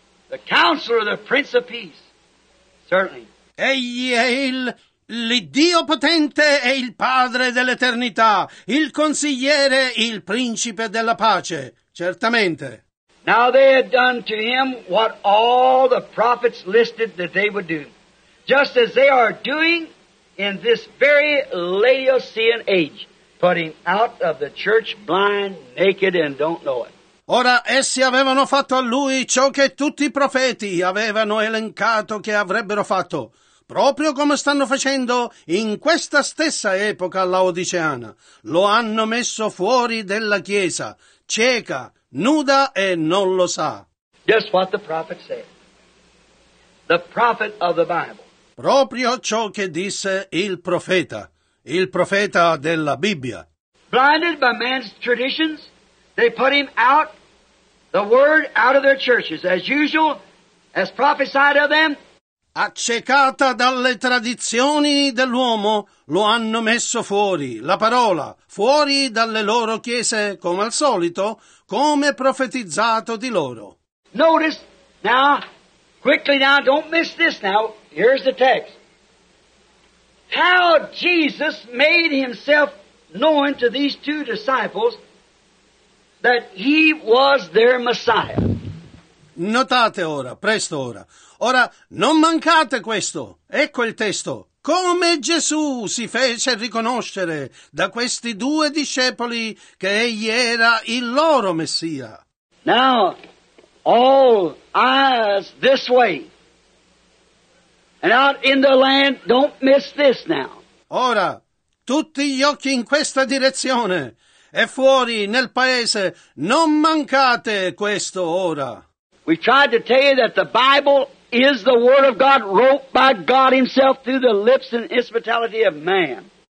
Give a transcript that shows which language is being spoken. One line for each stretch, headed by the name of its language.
English: The counselor, the prince of peace, certainly.
Italian: Egli è l'Iddio potente è il Padre dell'eternità, il consigliere, il principe della pace, certamente.
English: Now they had done to him what all the prophets listed that they would do, just as they are doing in this very Laodicean age, putting out of the church blind, naked, and don't know it.
Italian: Ora essi avevano fatto a lui ciò che tutti i profeti avevano elencato che avrebbero fatto. Proprio come stanno facendo in questa stessa epoca laodiceana. Lo hanno messo fuori della chiesa, cieca, nuda e non lo sa.
English: Just what the prophet said. The prophet of the Bible.
Italian: Proprio ciò che disse il profeta della Bibbia.
English: Blinded by man's traditions, they put him out, the word out of their churches, as usual, as prophesied of them.
Italian: Accecata dalle tradizioni dell'uomo, lo hanno messo fuori, la parola, fuori dalle loro chiese, come al solito, come profetizzato di loro.
English: Notice, now, quickly now, don't miss this now, here's the text. How Jesus made himself known to these two disciples that he was their Messiah.
Italian: Notate ora, presto ora. Ora, non mancate questo. Ecco il testo. Come Gesù si fece riconoscere da questi due discepoli che egli era il loro Messia.
English: Now, all eyes this way. And out in the land, don't miss this now.
Italian: Ora, tutti gli occhi in questa direzione. E fuori, nel paese, non mancate questo ora.
English: We tried to tell you that the Bible is the Word of God wrote by God Himself through the lips and instrumentality of man.